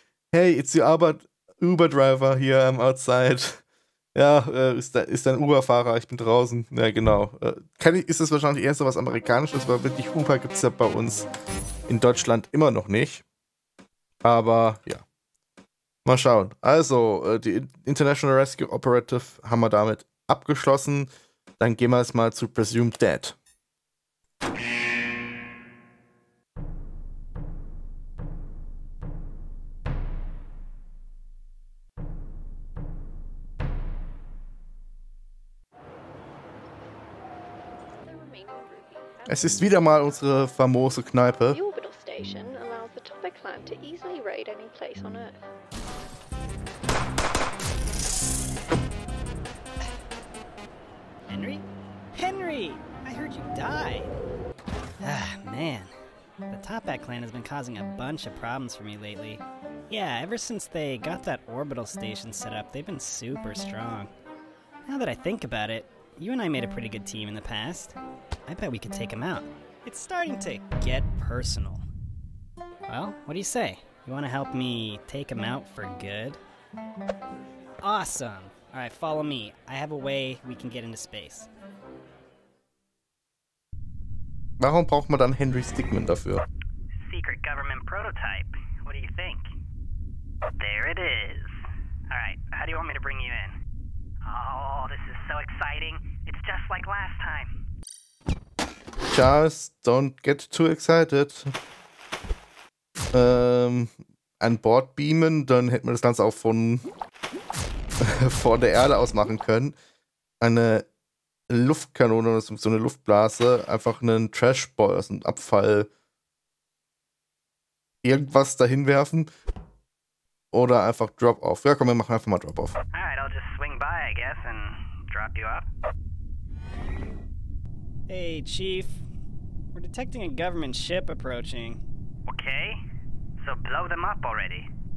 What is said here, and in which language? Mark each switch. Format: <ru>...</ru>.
<en>Hey, it's your Uber-Driver here, I'm outside.</en> <de>Ja, ist ein Uber-Fahrer, ich bin draußen. Ja, genau. Ist das wahrscheinlich eher so was Amerikanisches, weil wirklich Uber gibt es ja bei uns in Deutschland immer noch nicht. Aber ja. Mal schauen. Also, die International Rescue Operative haben wir damit abgeschlossen. Dann gehen wir jetzt mal zu Presumed Dead. Es ist wieder mal unsere famose Kneipe.</de> <en>The orbital station allows the Topic Clan to easily raid any place on Earth. Henry? Henry! I heard you died. Ah, man. The Topic Clan has been causing a bunch of problems for me lately. Yeah, ever since they got that orbital station set up, they've been super strong. Now that I think about it, you and I made a pretty good team in the past. I bet we could take him out. It's starting to get personal. Well, what do you say? You want to help me take him out for good? Awesome! Alright, follow me. I have a way we can get into space.</en> <de>Warum braucht man dann Henry Stickmin dafür?</de> <en>Secret government prototype. What do you think? There it is. Alright, how do you want me to bring you in? Oh, this is so exciting. It's just like last time. Charles, don't get too excited.</en> <de>An Bord beamen, dann hätten wir das Ganze auch von vor der Erde aus machen können. Eine Luftkanone oder so eine Luftblase, einfach einen Trashball, also einen Abfall, irgendwas dahin werfen oder einfach Drop-off. Ja, komm, wir machen einfach mal Drop-off.</de> <en>Alright, I'll just swing by, I guess, and drop you up. Hey, Chief. We're detecting a government ship approaching. Okay, so blow them up already.</en>